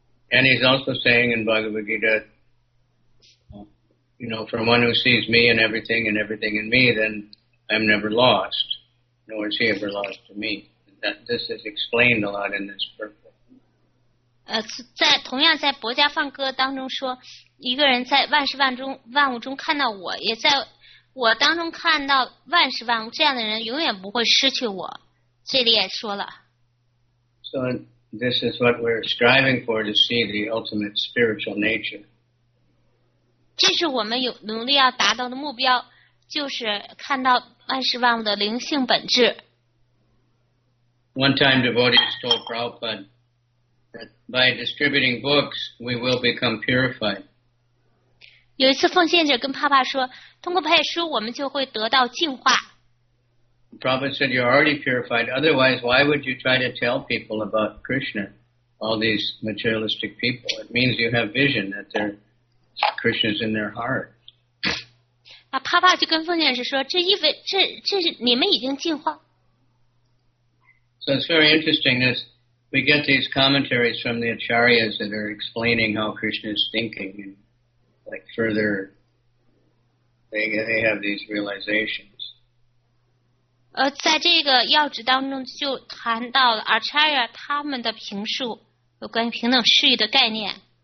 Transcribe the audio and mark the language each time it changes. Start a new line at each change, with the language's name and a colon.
English: And he's also saying in Bhagavad Gita, you know, from one who sees me and everything and everything in me, then I'm never lost, nor is he ever lost to me. That, this is explained a lot in this purport.
Chinese: 在同样在薄伽梵歌当中说，一个人在万事万中万物中看到我，也在我当中看到万事万物，这样的人永远不会失去我。这里也说了。
English: So this is what we're striving for, to see the ultimate spiritual nature.
Chinese: 这是我们有努力要达到的目标，就是看到万事万物的灵性本质。
English: One time devotees told Prabhupada that by distributing books, we will become purified.
Chinese: 有一次奉献者跟帕帕说，通过派书我们就会得到净化。
English: Prabhupada said, you're already purified. Otherwise, why would you try to tell people about Krishna, all these materialistic people? It means you have vision that Krishna's in their heart.
Chinese: 帕帕就跟奉献者说，这意味这是你们已经净化。
English: So it's very interesting that we get these commentaries from the Acharyas that are explaining how Krishna is thinking andLike further, they have these realizations.
Chinese: 在这个要旨当中就谈到了 Acharya 他们的评述，有关于平等事业的概念。